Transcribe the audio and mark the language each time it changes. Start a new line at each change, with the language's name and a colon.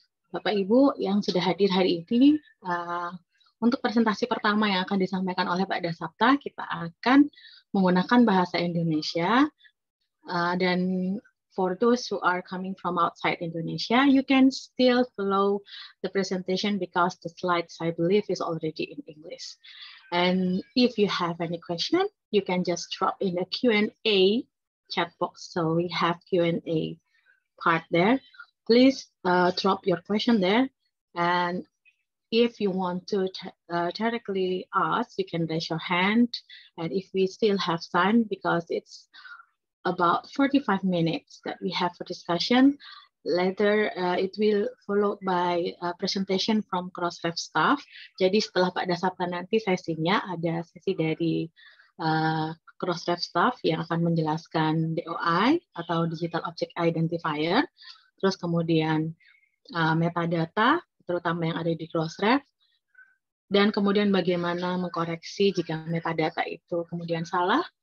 Indonesian: Bapak Ibu yang sudah hadir hari ini, untuk presentasi pertama yang akan disampaikan oleh Pak Dasapta, kita akan menggunakan bahasa Indonesia.
English: Dan for those who are coming from outside Indonesia, you can still follow the presentation because the slides, I believe, is already in English. And if you have any question, you can just drop in the Q&A chat box. So we have Q&A part there. Please drop your question there. And if you want to directly ask, you can raise your hand. And if we still have time, because it's about 45 minutes that we have for discussion, later it will followed by a presentation from Crossref staff.
Indonesian: Jadi setelah Pak Dasapta nanti sesinya, ada sesi dari Crossref staff yang akan menjelaskan DOI atau Digital Object Identifier, terus kemudian metadata, terutama yang ada di Crossref, dan kemudian bagaimana mengkoreksi jika metadata itu kemudian salah,